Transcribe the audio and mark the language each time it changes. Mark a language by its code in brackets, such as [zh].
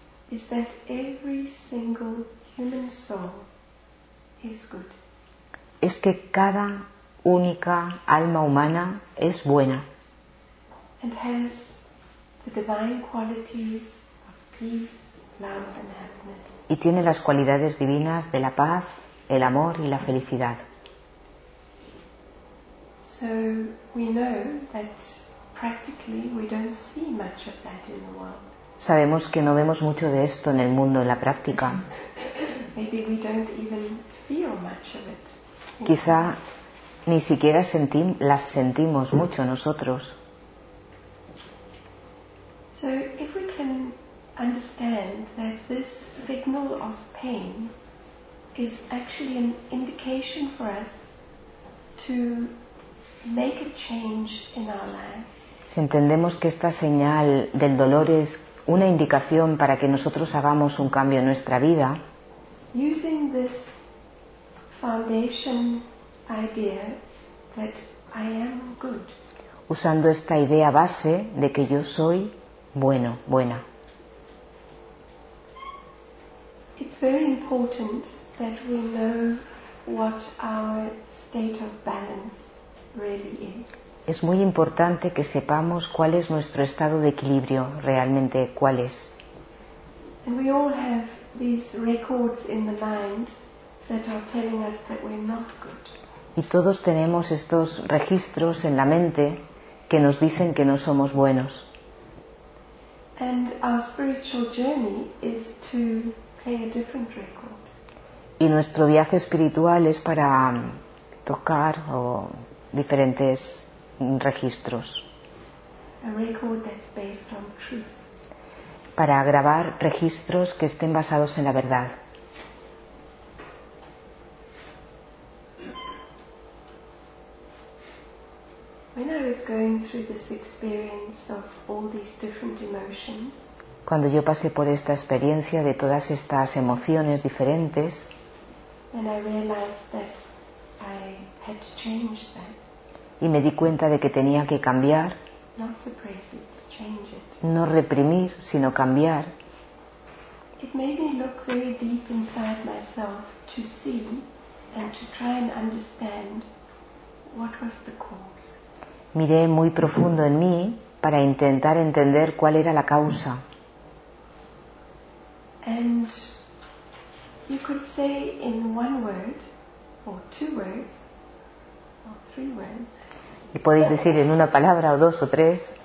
[en] is that every single human soul is good. [es] Es que cada única alma humana es buena. [en] And has the divine qualities of peace, love and happiness. [es] Y tiene las cualidades divinas de la paz, el amor y la felicidad. [en] So we know that practically we don't see much of that in the world. [es] Sabemos que no vemos mucho de esto en el mundo en la práctica. [en] Maybe we don't even feel much of it. [es] Quizá ni siquiera las sentimos mucho nosotros. [en] So if we can understand that this signal of pain is actually an indication for us to make a change in our lives. [es] Si entendemos que esta señal del dolor es una indicación para que nosotros hagamos un cambio en nuestra vida, [en] using this foundation idea that I am good. [es] Usando esta idea base de que yo soy bueno, buena. [en] It's very important that we know what our state of balance really is. [es] Es muy importante que sepamos cuál es nuestro estado de equilibrio realmente, cuál es. [en] And we all have these records in the mind that are telling us that we're not good. [es] Y todos tenemos estos registros en la mente que nos dicen que no somos buenos. [en] And our spiritual journey is to play a different record. [es] Y nuestro viaje espiritual es para tocar o diferentes registros. [en] A record that's based on truth. [es] Para grabar registros que estén basados en la verdad. [en] When I was going through this experience of all these different emotions, [es] cuando yo pasé por esta experiencia de todas estas emociones diferentes, [en] and I realized that I had to change that. [es] Y me di cuenta de que tenía que cambiar. [en] Not suppress it, change it. [es] No reprimir, sino cambiar. [en] it made me look very deep inside myself to see and to try and understand what was the cause. [es] Miré muy profundo en mí para intentar entender cuál era la causa. [en] And you could say in one word, or two words, or three words. [es] Y podéis decir en una palabra o dos o tres.